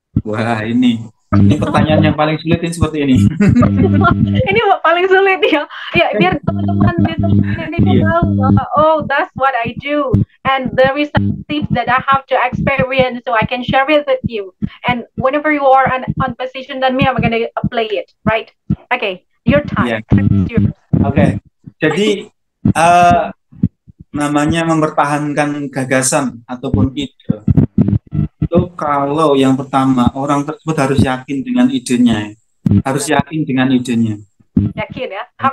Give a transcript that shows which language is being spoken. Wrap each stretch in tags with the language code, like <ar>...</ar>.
<id>Wah, ini pertanyaan yang paling sulit ini seperti ini. Ini paling sulit ya. Ya, biar teman-teman di sini tahu,</id> <en>oh, that's what I do and there is some tips that I have to experience so I can share it with you. And whenever you are on position than me, I'm going to apply it, right? Okay, your time. Yeah. Okay.</en> <id>Jadi namanya mempertahankan gagasan ataupun ide itu, kalau yang pertama orang tersebut harus yakin dengan idenya, harus yakin dengan idenya, yakin ya,</id>